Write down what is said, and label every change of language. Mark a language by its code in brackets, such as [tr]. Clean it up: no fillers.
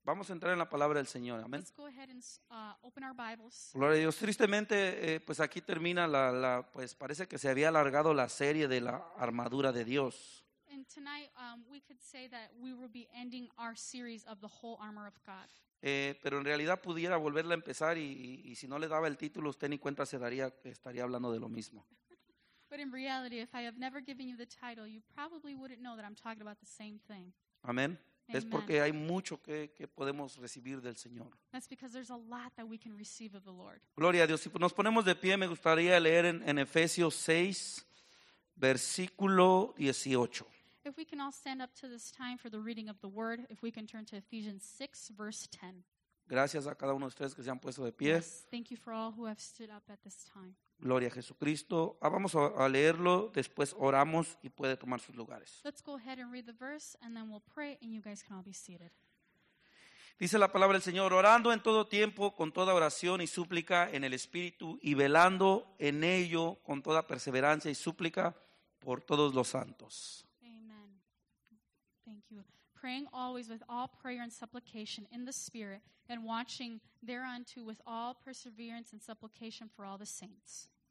[es] Vamos a entrar en la palabra del Señor. Amén. [en] Let's go ahead and, open our Bibles. [es] Gloria a Dios. Tristemente, pues aquí termina la, pues parece que se había alargado la serie de la armadura de Dios. [en] And tonight, we could say that we will be ending our series of the whole armor of God. [es] Pero en realidad pudiera volverla a empezar y si no le daba el título, usted ni cuenta se daría, estaría hablando de lo mismo. [en] But in reality, if I have never given you the title, you probably wouldn't know that I'm talking about the same thing. [es] Amén. Es porque hay mucho que podemos recibir del Señor. [en] That's because there's a lot that we can receive of the Lord. [es] Gloria a Dios. Si nos ponemos de pie, me gustaría leer en Efesios 6, versículo 18. [en] If we can all stand up to this time for the reading of the word, if we can turn to Ephesians 6, verse 10. [es] Gracias a cada uno de ustedes que se han puesto de pie. [en] Yes, thank you for all who have stood up at this time. [es] Gloria a Jesucristo. Ah, vamos a leerlo, después oramos y puede tomar sus lugares. [en] Let's go ahead and read the verse and then we'll pray and you guys can all be seated. [es] Dice la palabra del Señor, orando en todo tiempo con toda oración y súplica en el Espíritu y velando en ello con toda perseverancia y súplica por todos los santos. [en] Amen. Thank you. Praying always with all prayer and supplication in the Spirit and watching thereunto with all perseverance and supplication for all the saints.